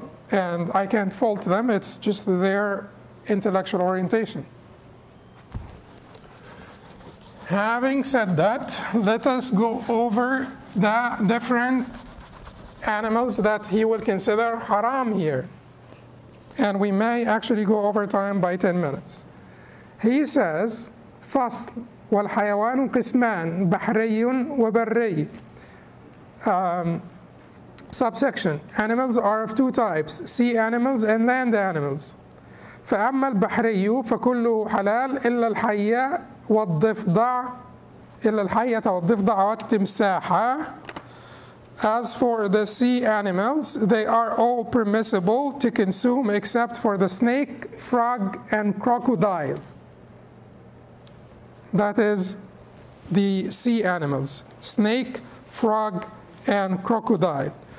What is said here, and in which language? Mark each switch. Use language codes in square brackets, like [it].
[en] And I can't fault them. It's just their intellectual orientation. Having said that, let us go over the different animals that he will consider haram here. And we may actually go over time by 10 minutes. He says, [ar] فصل والحيوان قسمان بحري وبري. [en] Subsection, animals are of two types, sea animals and land animals. [ar] فأما البحري فكله حلال إلا الحية والضفدع إلا الحية والضفدع والتمساح. [en] As for the sea animals, they are all permissible to consume except for the snake, frog, and crocodile. That is the sea animals, snake, frog, and crocodile.